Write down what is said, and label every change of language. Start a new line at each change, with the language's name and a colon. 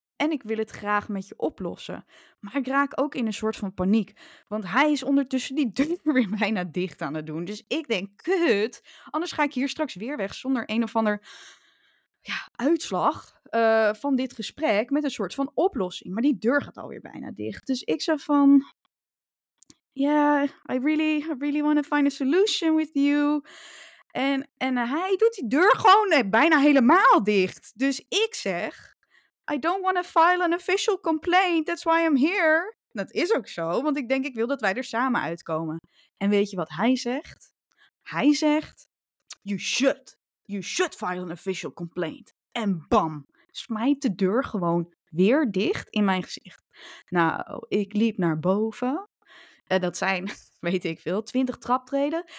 Dutch: En ik wil het graag met je oplossen. Maar ik raak ook in een soort van paniek. Want hij is ondertussen die deur weer bijna dicht aan het doen. Dus ik denk, kut, anders ga ik hier straks weer weg zonder een of ander uitslag. Van dit gesprek met een soort van oplossing. Maar die deur gaat alweer bijna dicht. Dus ik zeg van...
English: ja, yeah, I really want to find a solution with you.
Dutch: En hij doet die deur gewoon bijna helemaal dicht. Dus ik zeg,
English: I don't want to file an official complaint, that's why I'm here.
Dutch: Dat is ook zo, want ik denk ik wil dat wij er samen uitkomen. En weet je wat hij zegt? Hij zegt,
English: you should file an official complaint.
Dutch: En bam, smijt de deur gewoon weer dicht in mijn gezicht. Nou, ik liep naar boven. Dat zijn, weet ik veel, 20 traptreden.